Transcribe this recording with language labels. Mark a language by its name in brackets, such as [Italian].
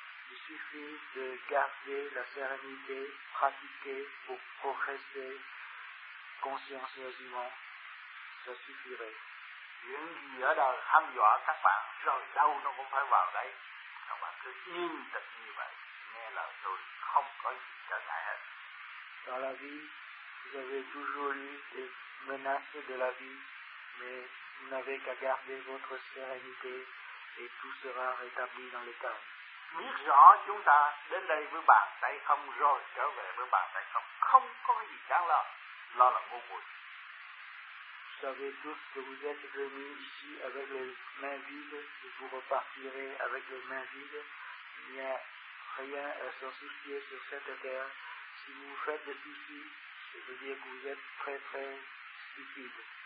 [French] Il suffit de garder la sérénité, pratiquer pour progresser consciencieusement. Ça suffirait. [Vietnamese] Những gì ở đời hăm dọa các bạn, rồi đâu nó cũng phải vào đấy. Các bạn cứ yên tĩnh như vậy, nghe lời tôi, không có gì trở ngại hết. [French] Dans la vie, vous avez toujours eu des menaces de la vie, mais vous n'avez qu'à garder votre sérénité et tout sera rétabli dans le temps. [Vietnamese] Biết rõ chúng ta đến đây với bàn tay không, rồi trở về với bàn tay không, không có gì đáng lo là vô vụ. [French] Vous savez tous que vous êtes venus ici avec les mains vides et vous repartirez avec les mains vides. Il n'y a rien à s'en soucier sur cette terre. Si vous vous faites des soucis, ça veut dire que vous êtes très très stupide.